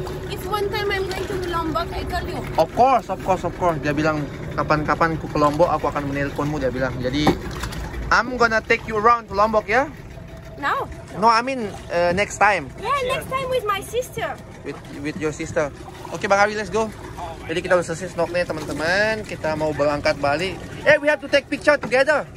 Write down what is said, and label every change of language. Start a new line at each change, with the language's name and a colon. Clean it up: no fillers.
English: If one time I'm going to Lombok, I call you. Of course.
Indonesian: Dia bilang kapan-kapan aku ke Lombok, aku akan menelponmu, dia bilang. Jadi
English: I'm gonna take you around to Lombok, ya? Now? No, I mean next time. Yeah, next time with my sister. With your sister. Okay, Bang Ari, let's go.
Indonesian: Jadi kita udah selesai snorkeling teman-teman, kita mau berangkat Bali.
English: Eh, hey, we have to take picture together.